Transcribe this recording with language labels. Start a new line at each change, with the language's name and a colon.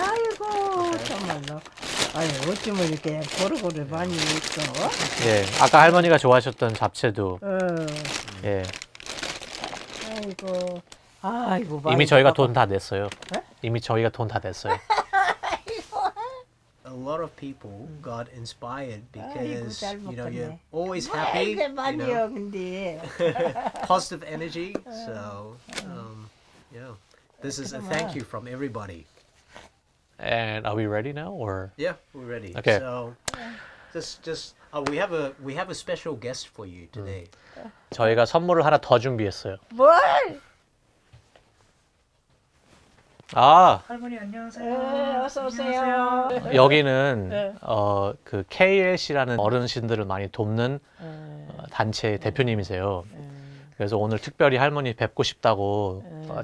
Korean: 아이고, 정말로. 아니, 어쩌면 이렇게 고르고를 많이 있어. 예, 아까 할머니가 좋아하셨던 잡채도. 예. 아이고, 아이고. 많이 이미 저희가 돈 다 냈어요. 에? 이미 저희가 돈 다 냈어요.
English: A lot of people got inspired because, you know, you're always happy, you know, positive energy, so, yeah, this is a thank you from everybody. And are we ready now, or? Yeah, we're ready. Okay. So, just, we have a special guest for you today.
Korean: 저희가 선물을 하나 더 준비했어요. 뭘? 아! 할머니, 안녕하세요. 네, 어서오세요. 여기는, 네. 그, KLC라는 어르신들을 많이 돕는 네. 단체의 대표님이세요. 네. 그래서 오늘 특별히 할머니 뵙고 싶다고 네.